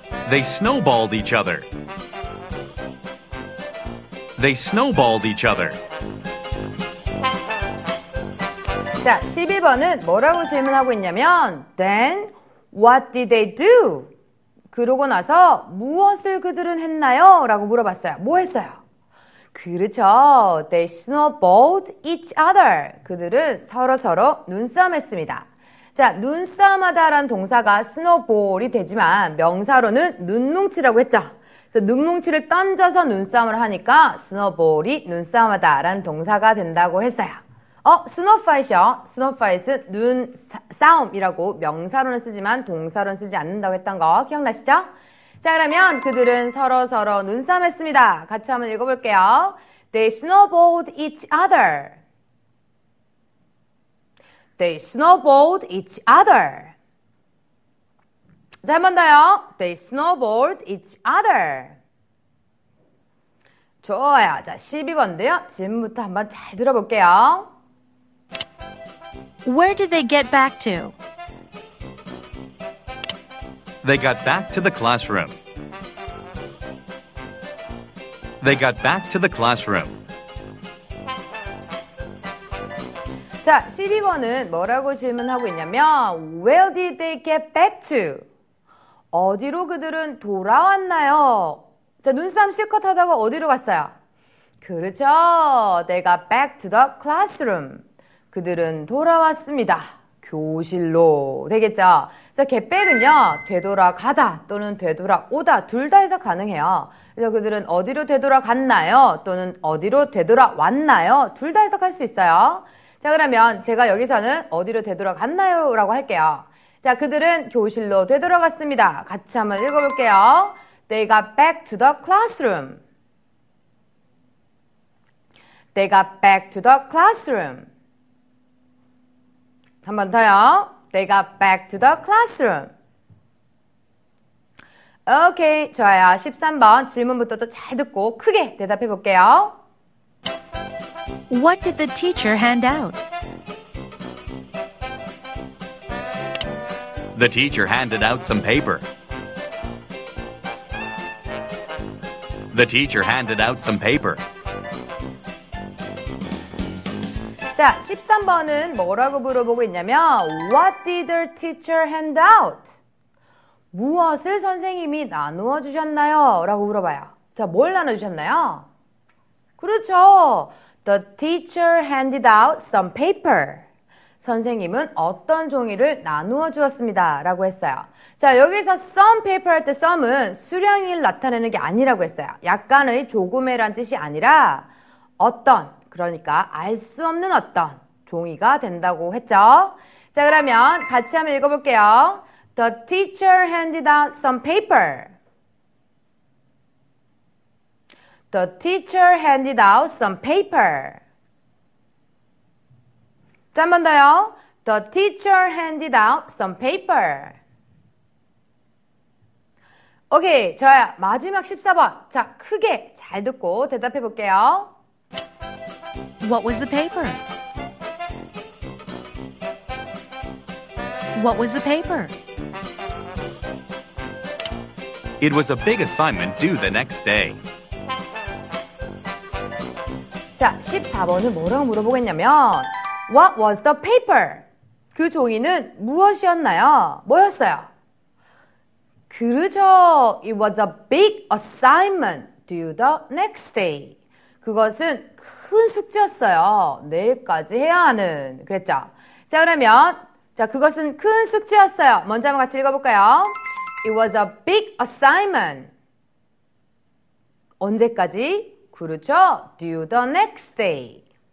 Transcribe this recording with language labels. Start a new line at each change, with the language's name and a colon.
English: They snowballed each other. They snowballed each other.
Korean: 자, 11번은 뭐라고 질문하고 있냐면
English: Then what did they do?
Korean: 그러고 나서 무엇을 그들은 했나요? 라고 물어봤어요. 뭐 했어요? 그렇죠.
English: They snowballed each other.
Korean: 그들은 서로서로 눈싸움했습니다. 자, 눈싸움하다라는 동사가 snowball이 되지만 명사로는 눈뭉치라고 했죠. 그래서 눈뭉치를 던져서 눈싸움을 하니까 snowball이 눈싸움하다라는 동사가 된다고 했어요. 어? snow fight이요? snow fight은 눈싸움이라고 명사로는 쓰지만 동사로는 쓰지 않는다고 했던 거 기억나시죠? 자, 그러면 그들은 서로서로 눈싸움했습니다. 같이 한번 읽어볼게요.
English: They snowballed each other. They snowballed each other.
Korean: 자, 한번 더요.
English: They snowballed each other.
Korean: 좋아요. 자, 12번도요. 질문부터 한번 잘 들어볼게요.
English: Where did they get back to? They got back to the classroom. They got back to the classroom.
Korean: 자, 12번은 뭐라고 질문하고 있냐면
English: Where did they get back to?
Korean: 어디로 그들은 돌아왔나요? 자, 눈싸움 실컷 하다가 어디로 갔어요? 그렇죠.
English: They got back to the classroom.
Korean: 그들은 돌아왔습니다. 교실로 되겠죠. 그래서 get back은요. 되돌아가다 또는 되돌아오다 둘 다 해서 가능해요. 그래서 그들은 어디로 되돌아갔나요? 또는 어디로 되돌아왔나요? 둘 다 해석할 수 있어요. 자, 그러면 제가 여기서는 어디로 되돌아갔나요? 라고 할게요. 자, 그들은 교실로 되돌아갔습니다. 같이 한번 읽어볼게요.
English: They got back to the classroom. They got back to the classroom.
Korean: 한 번 더요.
English: They got back to the classroom.
Korean: 오케이, 좋아요. 13번 질문부터도 잘 듣고 크게 대답해 볼게요.
English: What did the teacher hand out? The teacher handed out some paper. The teacher handed out some paper.
Korean: 자, 13번은 뭐라고 물어보고 있냐면
English: What did the teacher hand out?
Korean: 무엇을 선생님이 나누어 주셨나요? 라고 물어봐요. 자, 뭘 나눠주셨나요? 그렇죠.
English: The teacher handed out some paper.
Korean: 선생님은 어떤 종이를 나누어 주었습니다. 라고 했어요. 자, 여기서 some paper 할 때 some은 수량을 나타내는 게 아니라고 했어요. 약간의 조금의란 뜻이 아니라 어떤, 그러니까 알 수 없는 어떤 종이가 된다고 했죠. 자, 그러면 같이 한번 읽어볼게요.
English: The teacher handed out some paper. The teacher handed out some paper.
Korean: 자, 한 번 더요.
English: The teacher handed out some paper.
Korean: 오케이, 좋아요. 마지막 14번. 자, 크게 잘 듣고 대답해 볼게요.
English: What was the paper? What was the paper? It was a big assignment due the next day.
Korean: 자, 14번은 뭐라고 물어보겠냐면
English: What was the paper?
Korean: 그 종이는 무엇이었나요? 뭐였어요? 그렇죠.
English: It was a big assignment due the next day.
Korean: 그것은 큰 숙제였어요. 내일까지 해야 하는. 그랬죠. 자, 그러면 자 그것은 큰 숙제였어요. 먼저 한번 같이 읽어볼까요?
English: It was a big assignment.
Korean: 언제까지? 그렇죠.
English: Due the next day.